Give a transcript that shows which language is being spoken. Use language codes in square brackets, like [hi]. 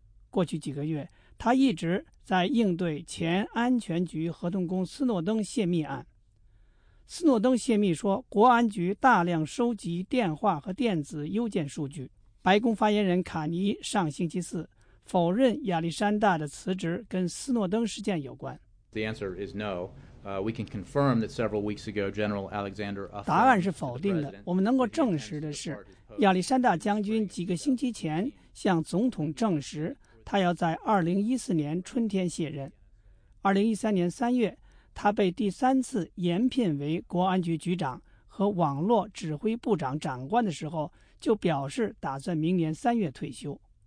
[zh] 过去几个月，他一直在应对前安全局合同工斯诺登泄密案。斯诺登泄密说，国安局大量收集电话和电子邮件数据。白宫发言人卡尼上星期四否认亚历山大的辞职跟斯诺登事件有关。 [en] The answer is no. We can confirm that several weeks ago, General Alexander. [zh] 答案是否定的。我们能够证实的是，亚历山大将军几个星期前向总统证实，他要在2014年春天卸任。 2013年三月。他被第三次延聘为国安局局长和网络指挥部长长官的时候，就表示打算明年三月退休。